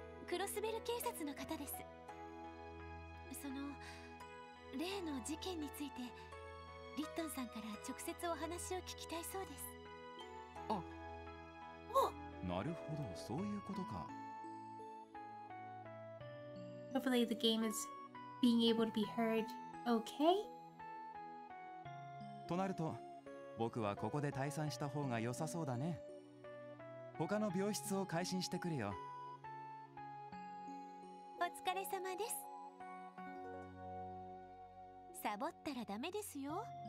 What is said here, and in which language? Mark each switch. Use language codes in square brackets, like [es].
[ja] クロスベル警察の方です。その例の事件についてリットンさんから直接お話を聞きたいそうです。あ、なるほど、そういうことか。 [en] Hopefully the game is being able to be heard okay? [ja] となると僕はここで退散した方が良さそうだね。他の病室を改心してくるよ。お疲れ様です。サボったらダメですよ。